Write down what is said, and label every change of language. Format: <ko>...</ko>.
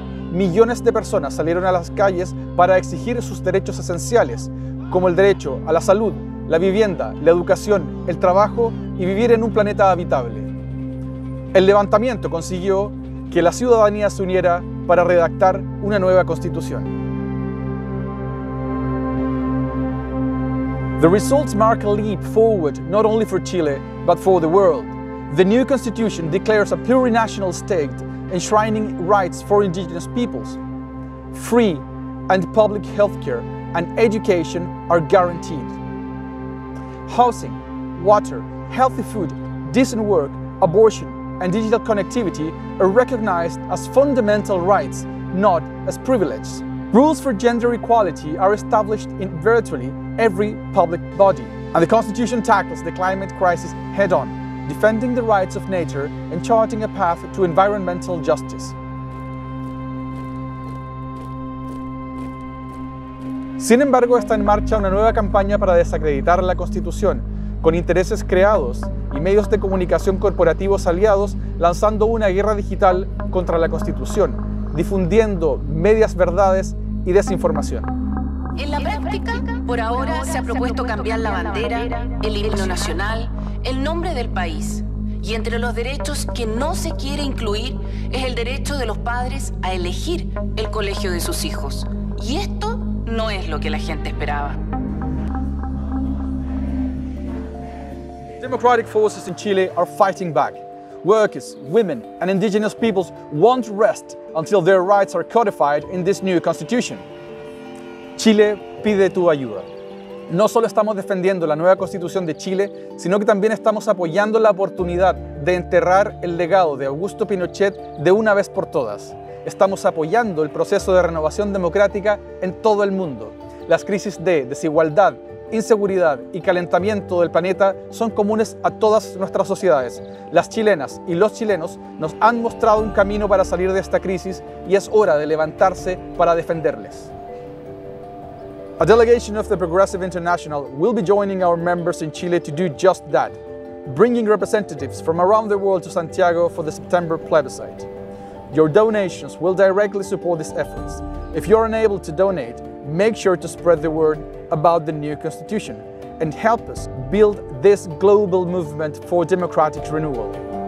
<es>Millones de personas salieron a las calles para exigir sus derechos esenciales, como el derecho a la salud, la vivienda, la educación, el trabajo y vivir en un planeta habitable. El levantamiento consiguió que la ciudadanía se uniera para redactar una nueva constitución.</es> <en>The results mark a leap forward not only for Chile, but for the world. The new constitution declares a plurinational state, enshrining rights for indigenous peoples. Free and public healthcare and education are guaranteed. Housing, water, healthy food, decent work, abortion, and digital connectivity are recognized as fundamental rights, not as privileges. Rules for gender equality are established in virtually every public body. And the Constitution tackles the climate crisis head on, defending the rights of nature and charting a path to environmental justice.</en> <es>Sin embargo, está en marcha una nueva campaña para desacreditar la Constitución, con intereses creados y medios de comunicación corporativos aliados lanzando una guerra digital contra la Constitución, difundiendo medias verdades y desinformación. En la práctica, por ahora se ha propuesto cambiar la bandera, el himno nacional, el nombre del país. Y entre los derechos que no se quiere incluir es el derecho de los padres a elegir el colegio de sus hijos. Y esto no es lo que la gente esperaba.</es> <en>Democratic forces in Chile are fighting back. Workers, women, and indigenous peoples won't rest until their rights are codified in this new constitution.</en> <es>Chile pide tu ayuda. No solo estamos defendiendo la nueva constitución de Chile, sino que también estamos apoyando la oportunidad de enterrar el legado de Augusto Pinochet de una vez por todas. Estamos apoyando el proceso de renovación democrática en todo el mundo. Las crisis de desigualdad, inseguridad y calentamiento del planeta son comunes a todas nuestras sociedades. Las chilenas y los chilenos nos han mostrado un camino para salir de esta crisis y es hora de levantarse para defenderles.</es> <en>A delegation of the Progressive International will be joining our members in Chile to do just that, bringing representatives from around the world to Santiago for the September plebiscite. Your donations will directly support these efforts. If you are unable to donate, make sure to spread the word about the new constitution and help us build this global movement for democratic renewal.</en>